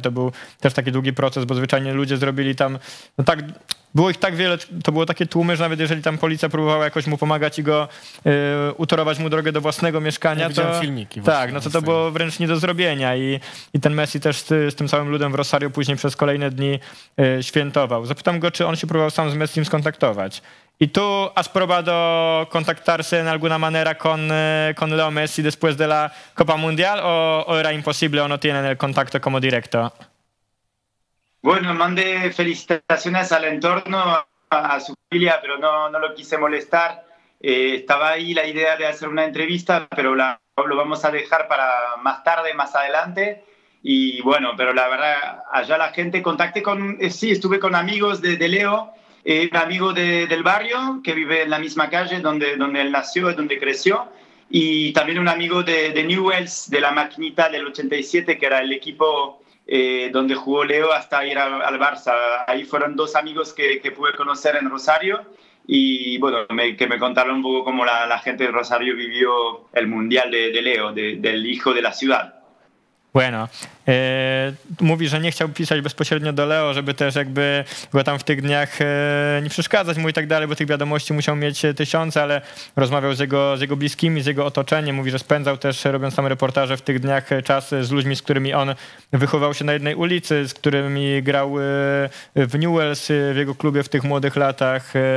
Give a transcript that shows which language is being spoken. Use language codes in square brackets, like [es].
[pl] To był też taki długi proces, bo zwyczajnie ludzie zrobili tam... No tak, było ich tak wiele, to było takie tłumy, że nawet jeżeli tam policja próbowała jakoś mu pomagać i go utorować mu drogę do własnego mieszkania, ja to filmiki tak, no to było wręcz nie do zrobienia. I ten Messi też z tym samym ludem w Rosario później przez kolejne dni świętował. Zapytam go, czy on się próbował sam z Messim skontaktować. [es] I tu has probado contactarse en alguna manera con Leo Messi después de la Copa Mundial, o era imposible, o no tienen el contacto como directo? Bueno, mandé felicitaciones al entorno, a su familia, pero no lo quise molestar. Estaba ahí la idea de hacer una entrevista, pero lo vamos a dejar para más tarde, más adelante. Y bueno, pero la verdad, allá la gente, contacté con... sí, estuve con amigos de Leo, un amigo del barrio, que vive en la misma calle donde él nació, donde creció, y también un amigo de Newell's, de la maquinita del 87, que era el equipo... donde jugó Leo hasta ir al Barça. Ahí fueron dos amigos que pude conocer en Rosario, y bueno, que me contaron un poco cómo la gente de Rosario vivió el Mundial de Leo, del hijo de la ciudad. [pl] Bueno, mówi, że nie chciał pisać bezpośrednio do Leo, żeby też jakby go tam w tych dniach nie przeszkadzać mu i tak dalej, bo tych wiadomości musiał mieć tysiące, ale rozmawiał z jego bliskimi, z jego otoczeniem. Mówi, że spędzał też, robiąc tam reportaże w tych dniach, czas z ludźmi, z którymi on wychował się na jednej ulicy, z którymi grał w Newell's, w jego klubie w tych młodych latach.